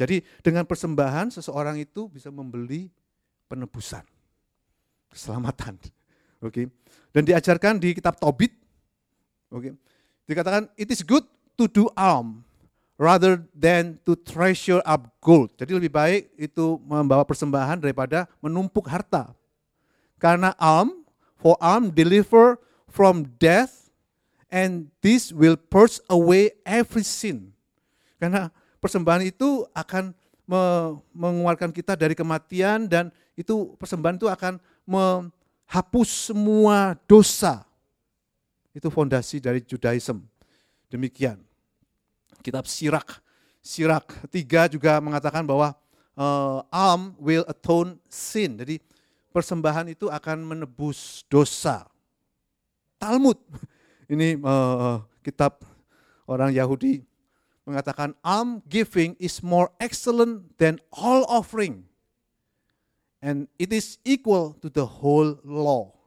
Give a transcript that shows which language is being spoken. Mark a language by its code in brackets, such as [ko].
[id] Jadi dengan persembahan seseorang itu bisa membeli penebusan, keselamatan. Oke. Dan diajarkan di kitab Tobit. Oke. Dikatakan [en] it is good to do alm rather than to treasure up gold. [id] Jadi lebih baik itu membawa persembahan daripada menumpuk harta. Karena [en] alm, for alm deliver from death and this will purge away every sin. [id] Karena persembahan itu akan mengeluarkan kita dari kematian dan itu persembahan itu akan menghapus semua dosa. Itu fondasi dari Judaism. Demikian. Kitab Sirak. Sirak 3 juga mengatakan bahwa [en] alm will atone sin. [id] Jadi persembahan itu akan menebus dosa. Talmud. Ini kitab orang Yahudi mengatakan [en] alm giving is more excellent than all offering and it is equal to the whole law.